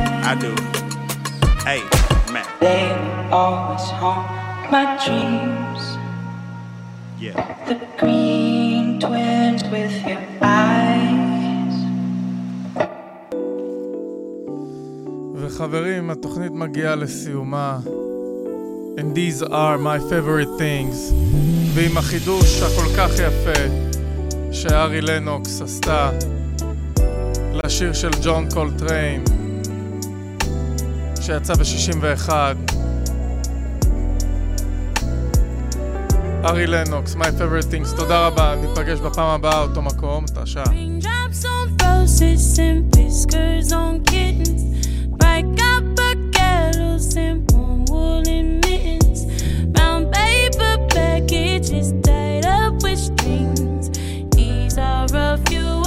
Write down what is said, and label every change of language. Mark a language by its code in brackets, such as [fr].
[en] I do. Hey, man. They always haunt my dreams. Yeah. The green twins with your eyes. [he] וחברים, התוכנית מגיעה לסיומה. [en] And these are my favorite things. [he] ועם החידוש הכל כך יפה שארי לנוקס עשתה לשיר של ג'ון קולטריין שיצא ב-61. ארי לנוקס, My Favorite Things, תודה רבה, ניפגש בפעם הבאה, אותו מקום, אתה שעה. [en] Raindrops on roses and whiskers on kittens, break up a kettle, simple woolen mittens, brown paper packages tied up with strings, these are a few.